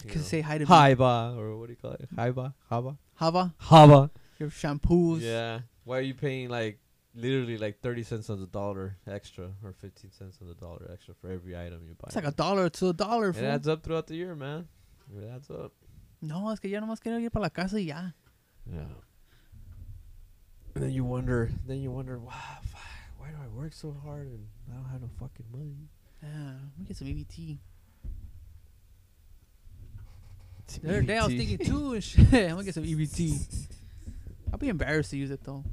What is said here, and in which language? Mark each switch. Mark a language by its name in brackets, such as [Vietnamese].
[English] You can know. Say hi to Haiba, me. Or what do you call it? Haiba? Haba? Haba? Haba. Your shampoos. Yeah. Why are you paying like literally like 30 cents on the dollar extra or 15 cents on the dollar extra for every item you buy? It's like a dollar to a dollar. It adds up throughout the year, man. It adds up. [Spanish] No, es que yo nomás quiero ir para la casa y ya. [English] Yeah. And then you wonder, wow, why do I work so hard and I don't have no fucking money? Yeah, let me get some EBT. The other day I was thinking too, and shit. I'm gonna get some EBT. I'll be embarrassed to use it though.